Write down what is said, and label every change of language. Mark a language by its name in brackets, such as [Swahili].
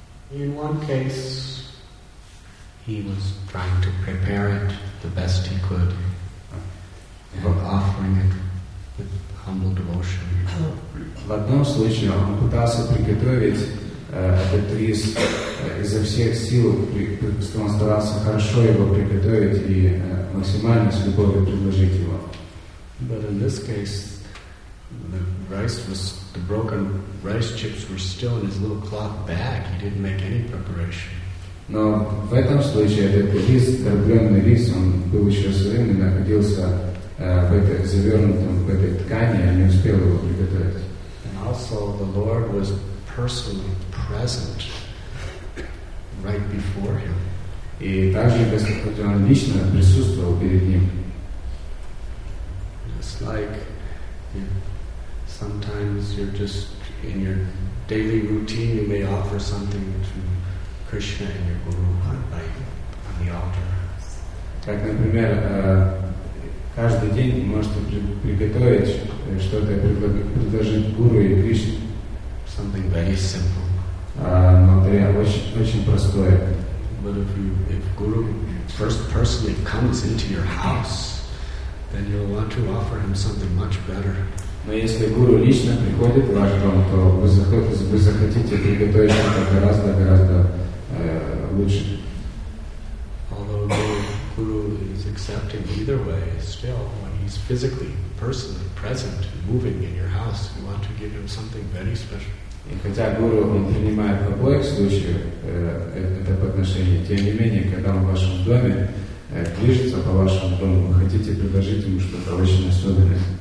[English] In one case, He was trying to prepare it the best he could, offering it with humble devotion. [Russian] В одном случае он пытался приготовить этот рис изо всех сил, что он старался хорошо его приготовить и максимально с любовью предложить его. [English] But in this case, the rice was, the broken rice chips were still in his little cloth bag. He didn't make any preparation. [Russian] Но в этом случае этот рис, дробленый рис, он был еще сырым и находился в этой завернутом в этой ткани, я не успел его приготовить. [English] And also the Lord was personally present right before him. [Russian] И также Господь он лично присутствовал перед ним. [English] It's like sometimes you're just in your daily routine, you may offer something to Krishna and your Guru on the altar. [Russian] Как, например, каждый день вы можете приготовить что-то, предложить Гуру и Кришне. [English] Something very simple. [Russian] Но это очень, очень простое. [English] But if Guru first personally comes into your house, then you'll want to offer him something much better. [Russian] Но если Гуру лично приходит в ваш дом, то вы захотите приготовить что-то гораздо, гораздо лучше. [English] Although Guru is accepting either way, still, when he's physically, personally present, moving in your house, you want to give him something very special. [Russian] И хотя Гуру он принимает в обоих случаях это подношение, тем не менее, когда он в вашем доме движется по вашему дому, вы хотите предложить ему что-то очень особенное.